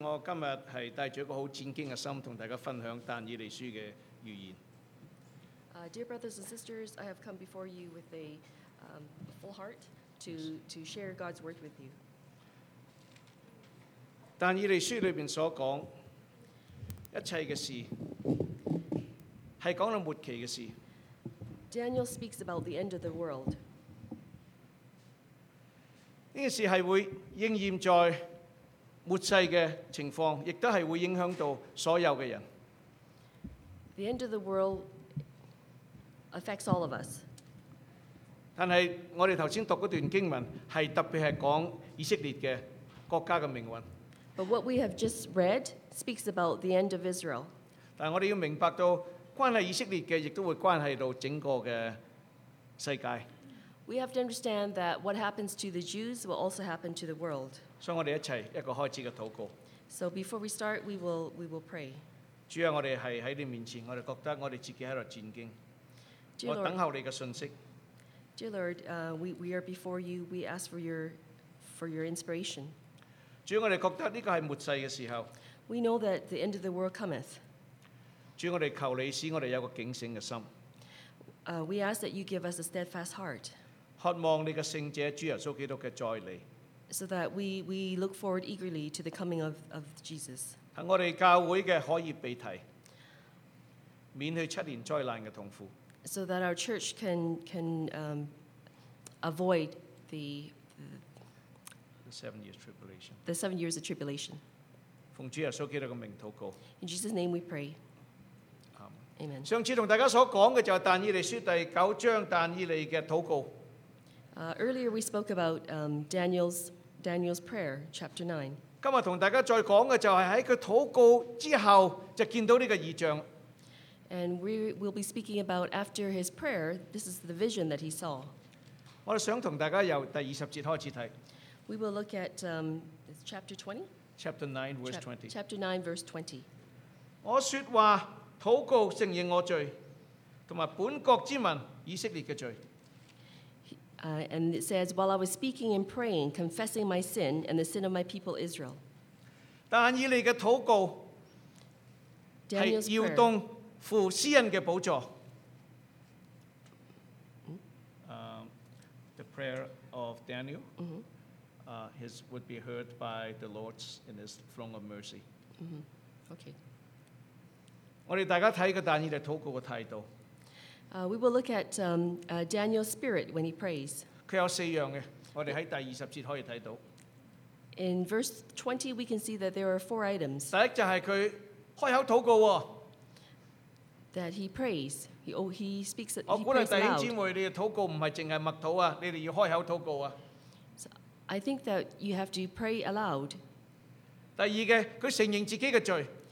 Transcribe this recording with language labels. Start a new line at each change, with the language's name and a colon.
Cantonese: 今日係帶住一個好戰驚嘅心，同大家分享但以利書嘅預言。
English: Dear brothers and sisters, I have come before you with a full heart to share God's word with you.
Cantonese: 但以利書裏邊所講一切嘅事，係講到末期嘅事。
English: Daniel speaks about the end of the world.
Cantonese: 呢件事係會應驗在末世嘅情況，亦都係會影響到所有嘅人。
English: The end of the world affects all of us.
Cantonese: 但係我哋頭先讀嗰段經文係特別係講以色列嘅國家嘅命運。
English: But what we have just read speaks about the end of Israel.
Cantonese: 但我哋要明白到關係以色列嘅，亦都會關係到整個嘅世界。
English: We have to understand that what happens to the Jews will also happen to the world.
Cantonese: 所以我哋一齊一個開始嘅禱告。
English: So before we start, we will pray.
Cantonese: 主啊，我哋係喺你面前，我哋覺得我哋自己喺度戰驚。我等候你嘅信息。
English: Dear Lord, we are before you. We ask for your inspiration.
Cantonese: 主，我哋覺得呢個係末世嘅時候。
English: We know that the end of the world cometh.
Cantonese: 主，我哋求你使我哋有個警醒嘅心。
English: We ask that you give us a steadfast heart.
Cantonese: 渴望你嘅聖者主耶穌基督嘅再嚟。
English: So that we look forward eagerly to the coming of Jesus.
Cantonese: 讓我哋教會嘅可以被提，免去七年災難嘅痛苦。
English: So that our church can avoid the 7 years tribulation. The 7 years of tribulation.
Cantonese: 奉主耶穌基督嘅名禱告。
English: In Jesus' name we pray. Amen.
Cantonese: 上次同大家所講嘅就係但以利書第九章但以利嘅禱告。
English: Earlier we spoke about Daniel's prayer, chapter 9.
Cantonese: 今日同大家再講嘅就係喺佢禱告之後就見到呢個異象。
English: And we will be speaking about after his prayer, this is the vision that he saw.
Cantonese: 我想同大家由第二十節開始睇。
English: We will look at chapter 20. Chapter 9, verse 20. Chapter 9, verse 20.
Cantonese: 我說話禱告承認我罪，同埋本國之民以色列嘅罪。
English: And it says, while I was speaking and praying, confessing my sin and the sin of my people Israel.
Cantonese: 但以利嘅禱告係搖動父詩人嘅寶座。
English: The prayer of Daniel, his would be heard by the Lord in his throne of mercy. Okay.
Cantonese: 我哋大家睇個但以利禱告嘅態度。
English: We will look at Daniel's spirit when he prays.
Cantonese: 佢有四樣嘅，我哋喺第二十節可以睇到。
English: In verse 20, we can see that there are four items.
Cantonese: 第一就係佢開口禱告喎。
English: That he prays, he speaks.
Cantonese: 我鼓勵弟兄姊妹，你要禱告唔係淨係默禱啊，你哋要開口禱告啊。
English: So, I think that you have to pray aloud.
Cantonese: 第二嘅，佢承認自己嘅罪。